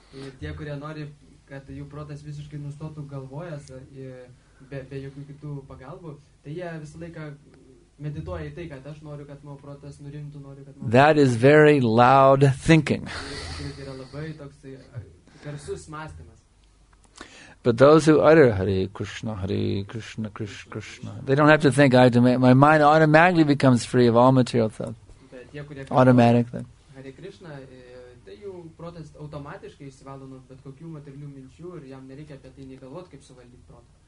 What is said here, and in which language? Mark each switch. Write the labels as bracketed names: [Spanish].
[Lithuanian] Ir tie, kurie nori, kad jų protas visiškai nustotų galvojęs, be jokių kitų pagalbų, tai jie visą laiką medituoja į tai, kad aš noriu, kad mano protas nurimtų, noriu, kad mano... [English] That is very loud thinking. [Lithuanian] Tai yra labai toks garsus mąstymas. [English] But those who utter Hare Krishna, Krishna, Krishna, they don't have to think, I have to make, my mind automatically becomes free of all material thoughts. Automatically. [Lithuanian] Hare Krishna, tai jų protas automatiškai išsivalo nuo bet kokių materialių minčių ir jam nereikia apie tai negalvoti, kaip suvaldyti protą.